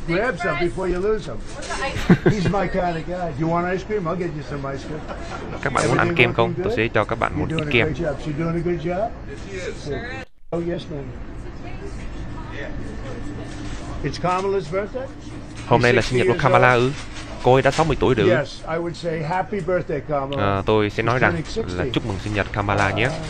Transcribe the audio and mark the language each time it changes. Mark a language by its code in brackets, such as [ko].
[en] Grab some before you lose them. He's my kind of guy. You want ice cream? I'll get you some ice cream. [vi] Các bạn muốn ăn kem không? Tôi sẽ cho các bạn một ít kem. [en] She's doing a good job. Yes, she is. Oh, yes, ma'am. It's Kamala's birthday? [vi] Hôm nay là sinh nhật của Kamala ư? Cô ấy đã 60 tuổi được. [en] Yes, I would say happy birthday, Kamala. [vi] Tôi sẽ nói rằng là chúc mừng sinh nhật Kamala nhé.